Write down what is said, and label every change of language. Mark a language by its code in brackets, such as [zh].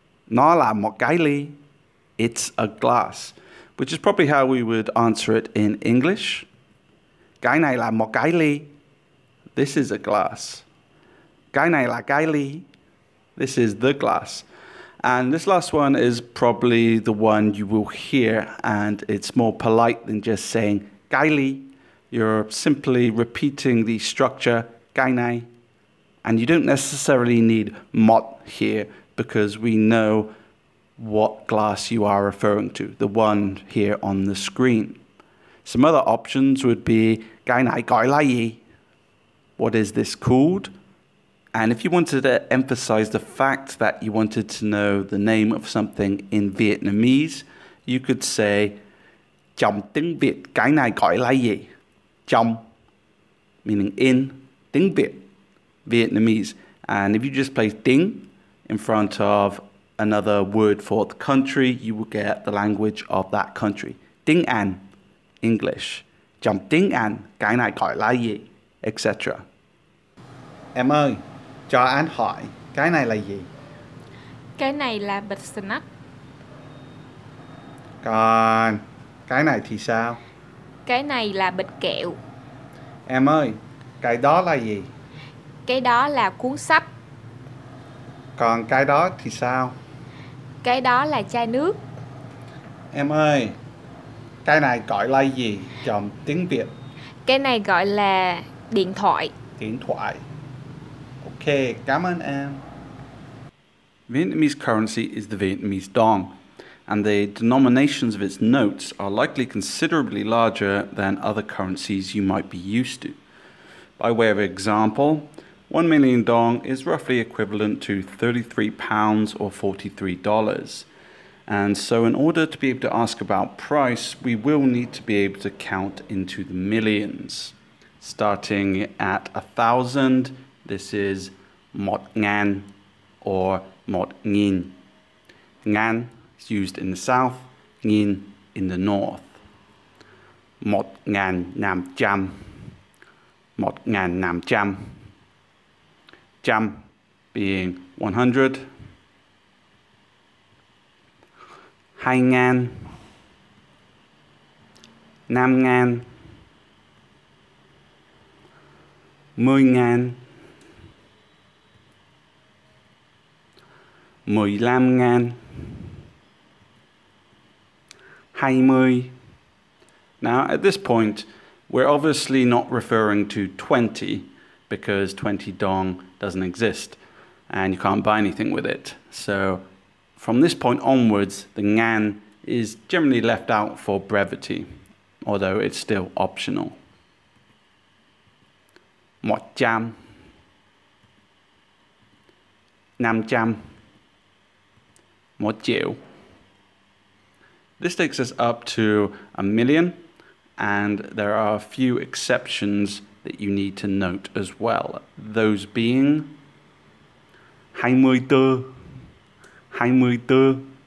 [vi] Nó là một cái ly, [en] it's a glass. Which is probably how we would answer it in English. [vi] Cái này là một cái ly. [en] This is a glass. [vi] Cái này là cái ly. [en] This is the glass. And this last one is probably the one you will hear, and it's more polite than just saying cái ly. You're simply repeating the structure cái này. And you don't necessarily need một here because we know what glass you are referring to, the one here on the screen. Some other options would be, [vi] cái này gọi là gì? [en] What is this called? And if you wanted to emphasize the fact that you wanted to know the name of something in Vietnamese, you could say, [vi] trong tiếng Việt, cái này gọi là gì? [en] Trong, meaning in, tiếng Việt, Vietnamese. And if you just place tiếng in front of another word for the country, you will get the language of that country. Ding an, English. [vi] Jump ding an, cái này gọi là gì, etc. Em ơi, cho anh hỏi, cái này là gì? Cái này là bịch snack. Còn, cái này thì sao? Cái này là bịch kẹo. Em ơi, cái đó là gì? Cái đó là cuốn sách. Còn cái đó thì sao? Cái đó là chai nước. Em ơi, cái này gọi là gì trong tiếng Việt? Cái này gọi là điện thoại. Điện thoại. Ok, cảm ơn em. [en] Vietnamese currency is the Vietnamese dong, and the denominations of its notes are likely considerably larger than other currencies you might be used to. By way of example, 1 million dong is roughly equivalent to £33 or $43. And so in order to be able to ask about price, we will need to be able to count into the millions. Starting at 1,000, this is [vi] một ngàn [en] or [vi] một nghìn. [en] Ngàn is used in the south, nghìn in the north. [vi] Một ngàn năm trăm. Một ngàn năm trăm. [en] Trăm being 100. [vi] Hai ngàn. Năm ngàn. Mười ngàn. Mười lăm ngàn. Hai mươi. [en] Now, at this point, we're obviously not referring to 20, because 20 dong doesn't exist, and you can't buy anything with it. So from this point onwards, the ngàn is generally left out for brevity. although it's still optional. [vi] Một trăm, năm trăm, một triệu. [en] This takes us up to 1,000,000, and there are a few exceptions that you need to note as well. Those being 24, 24.